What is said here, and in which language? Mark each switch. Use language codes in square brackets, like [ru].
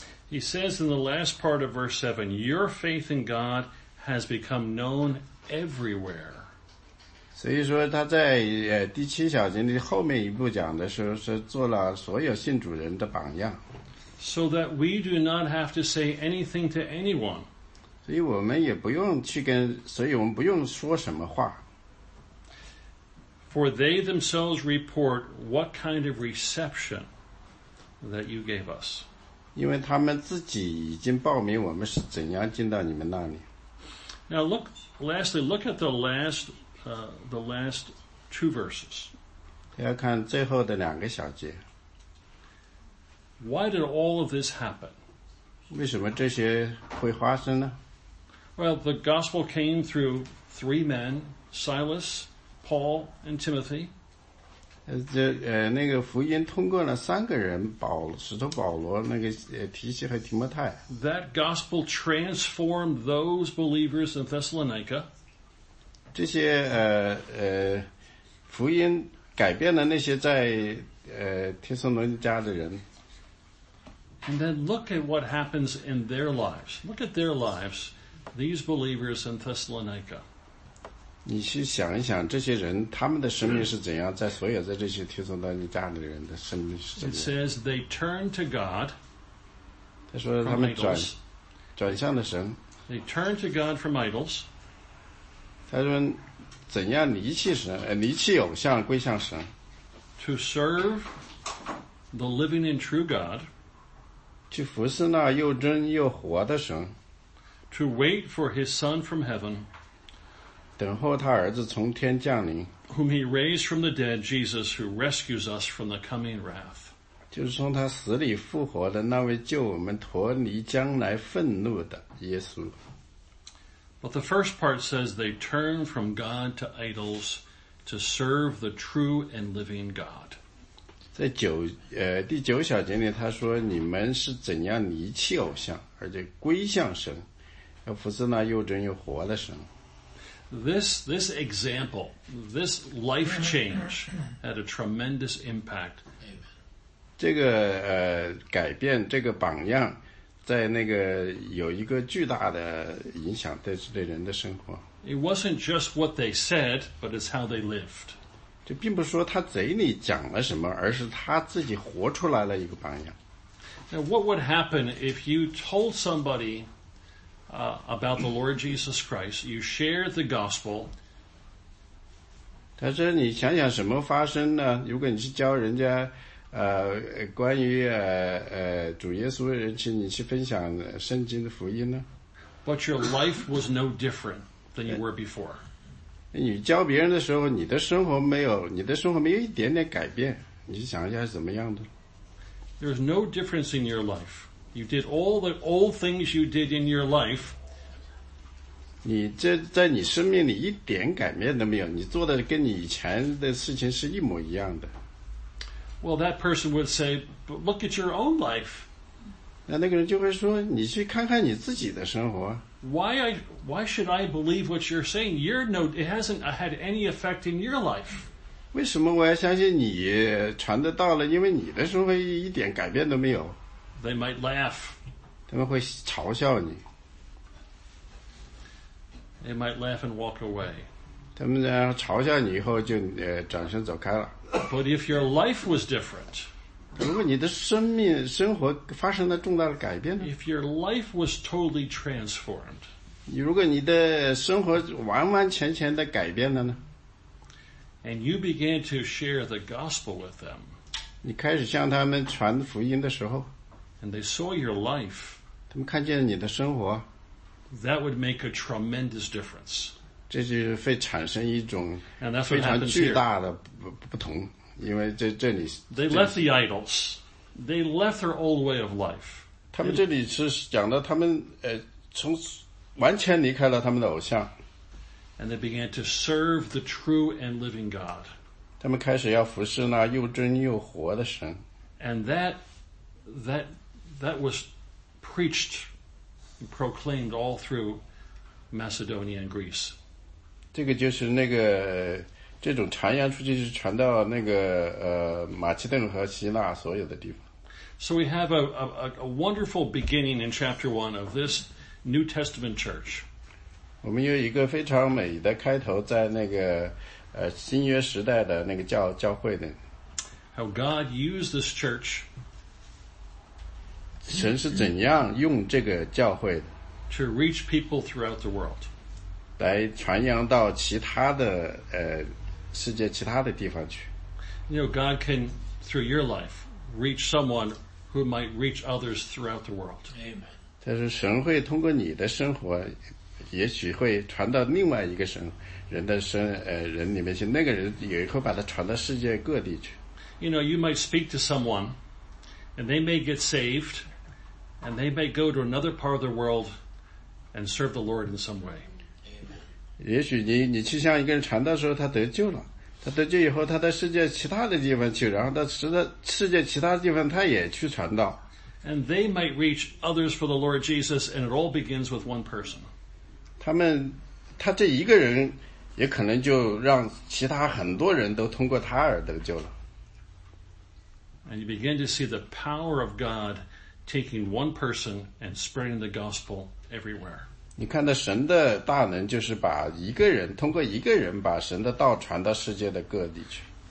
[en] He says in the last part of verse 7, "Your faith in God has become known everywhere." [zh] 所以说他在第七小节的后面一部讲的时候是做了所有信主人的榜样。 [en] So that we do not have to say anything to anyone. [zh] 所以我们也不用去跟，所以我们不用说什么话。 [en] For they themselves report what kind of reception that you gave us. [zh] 因为他们自己已经报名我们是怎样进到你们那里。 [en] Now look, lastly, look at the last two verses. [zh] 要看最后的两个小节。 [en] Why did all of this happen? [zh] 为什么这些会发生呢？ [en] Well, the gospel came through three men, Silas, Paul, and Timothy. [zh] 那个福音通过了三个人，使徒保罗，那个提西和提摩太。 [en] That gospel transformed those believers in Thessalonica. [zh] 这些福音改变了那些在帖撒罗尼迦的人。 [en] And then look at what happens in their lives. Look at their lives, these believers in Thessalonica. [zh] 你去想一想这些人他们的生命是怎样，在所有在这些帖撒罗尼迦的人的生命是怎样。 [en] It says they turned to God. [zh] 他说他们转向了神。 [en] They turned to God from idols. [zh] 他说怎样离弃神离弃偶像归向神 [en] To serve the living and true God [zh] 去服侍那又真又活的神 [en] To wait for his son from heaven [zh] 等候他儿子从天降临 [en] Whom he raised from the dead Jesus who rescues us from the coming wrath [zh] 就是从他死里复活的那位救我们脱离将来愤怒的耶稣 [en] But the first part says they turn from God to idols to serve the true and living God. [zh] 在第九小节里他说你们是怎样离弃偶像而且归向神要服侍那又真又活的神。 [en] This example, this life change had a tremendous impact. [zh] 这个改变这个榜样在那个有一个巨大的影响对人的生活。 [en] It wasn't just what they said, but it's how they lived. [zh] 这并不是说他嘴里讲了什么，而是他自己活出来了一个榜样。 [en] Now, what would happen if you told somebody, about the Lord Jesus Christ, you shared the gospel? [zh] 他说你想想什么发生呢？如果你去教人家关于主耶稣的人群，你去分享圣经的福音呢？ [en] But your life was no different than you were before. [zh] 你教别人的时候，你的生活没有，你的生活没有一点点改变，你想一下是怎么样的？ [en] There's no difference in your life. You did all the old things you did in your life. [zh] 你这在你生命里一点改变都没有，你做的跟你以前的事情是一模一样的。 [en] Well, that person would say, but look at your own life. [zh] 那个人就会说，你去看看你自己的生活。 [en] Why should I believe what you're saying? It hasn't had any effect in your life. [zh] 为什么我要相信你传的道了？因为你的生活一点改变都没有。 [en] They might laugh. [zh] 他们会嘲笑你。 [en] They might laugh and walk away. [zh] 他们呢嘲笑你以后就转身走开了。 [en] But if your life was different, [zh] 如果你的生活发生了重大的改变呢？ [en] If your life was totally transformed, [zh] 如果你的生活完完全全的改变了呢？ [en] And you began to share the gospel with them, [zh] 你开始向他们传福音的时候， [en] And they saw your life, [zh] 他们看见了你的生活， [en] That would make a tremendous difference. [zh] 这就是会产生一种非常巨大的不同，因为这里 [en] they left the idols, they left their old way of life. [zh] 他们这里是讲的他们从完全离开了他们的偶像。 [en] And they began to serve the true and living God. [zh] 他们开始要服侍那又真又活的神。 [en] And that was preached, proclaimed all through Macedonia and Greece. [zh] 这个就是那个这种传扬出去是传到那个马其顿和希腊所有的地方。 [en] So we have a wonderful beginning in chapter 1 of this New Testament church. [zh] 我们有一个非常美的开头在那个新约时代的那个教会的。 [en] How God used this church. [zh] 神是怎样用这个教会的。 [en] To reach people throughout the world. [zh] 来传扬到其他的世界其他的地方去。 [en] You know, God can, through your life, reach someone who might reach others throughout the world. Amen. [zh] 但是神会通过你的生活也许会传到另外一个人里面去，那个人也会把它传到世界各地去。 [en] You know, you might speak to someone, and they may get saved, and they may go to another part of the world and serve the Lord in some way. [zh] 也许你去向一个人传道的时候他得救了，他得救以后他在世界其他的地方去，然后在世界其他的地方他也去传道。 [en] And they might reach others for the Lord Jesus, and it all begins with one person. [zh] 他这一个人也可能就让其他很多人都通过他而得救了。 [en] And you begin to see the power of God taking one person and spreading the gospel everywhere. [zh] 你看到神的大能就是把一个人通过一个人把神的道传到世界的各地去。